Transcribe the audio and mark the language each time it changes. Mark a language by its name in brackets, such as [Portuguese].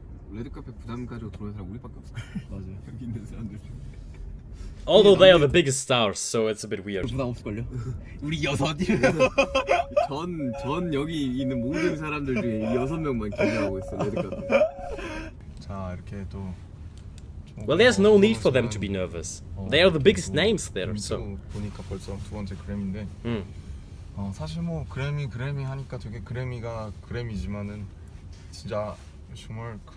[Korean] 레드카펫 부담 가지고 들어온 사람 우리밖에 없어. 맞아요. 여기 있는 사람들. [English] Although they are the biggest stars, so it's a bit weird. [Korean] 부담 없을걸요? 우리 여섯이. 전 여기 있는 모든 사람들 중에 여섯 명만 기대하고 있어 레드카펫. 자 이렇게 또. [English] Well, there's no need for them to be nervous. They are the biggest names there, so. [Korean] 보니까 벌써 두 번째 그래미인데. 사실 뭐 그래미 하니까 되게 그래미가 그래미지만은 진짜 정말.